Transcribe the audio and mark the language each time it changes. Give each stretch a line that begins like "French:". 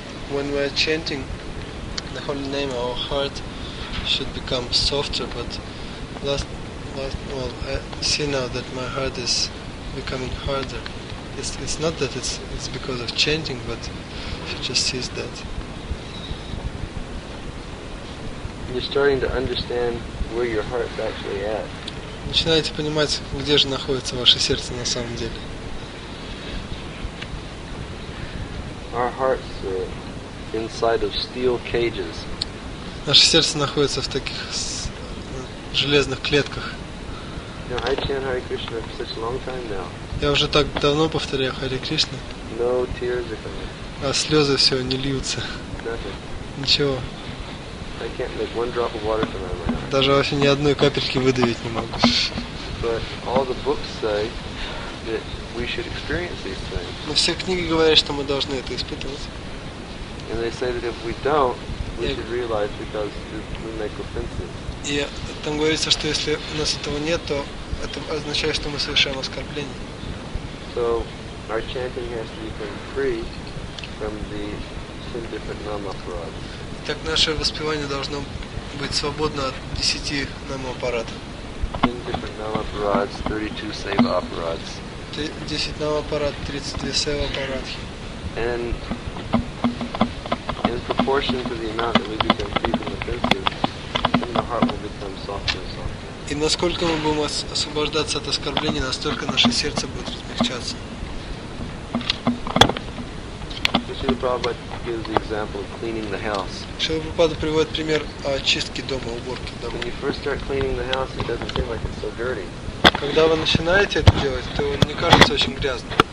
English: When we are chanting the holy name, our heart should become softer, but I see now that my heart is becoming harder. It's not that it's because of chanting, but she just sees that. You're starting to understand where your heart's actually at.
Russian: Начинаете понимать, где же находится ваше сердце на самом деле.
English: Our hearts inside of steel cages.
Russian: Наше сердце находится в таких железных клетках.
English: Now I chant Hare Krishna for such a long time now.
Russian: Я уже так давно повторяю Харе Кришна.
English: No tears are coming.
Russian: А слезы все не льются.
English: Nothing.
Russian: Ничего.
English: I can't make one drop of water come out of my heart.
Russian: Даже вообще ни одной капельки выдавить не могу.
English: But all the books say that we should experience these things.
Russian: Но все книги говорят, что мы должны это испытывать.
English: And they say that if we don't, we should realize because we make offenses.
Russian: И там говорится, что если у нас этого нет, то это означает, что мы совершаем оскорбление.
English: So our chanting has to become free from the ten different nama-aparadas.
Russian: Так наше воспевание должно быть свободно от 10 нама-аппаратов.
English: Ten different nama-aparadas, 32 seva-aparadas.
Russian: 10 нама-аппарат, 32 seva-аппаратхи.
English: And in proportion to the amount that we become free from offenses, then the heart will become softer and softer.
Russian: И насколько мы будем освобождаться от оскорблений, настолько наше сердце будет размягчаться. Шрила Прабхупада приводит пример очистки дома, уборки дома.
English: When you first start cleaning the house, it doesn't seem like it's so dirty.
Russian: Когда вы начинаете это делать, то не кажется очень грязным.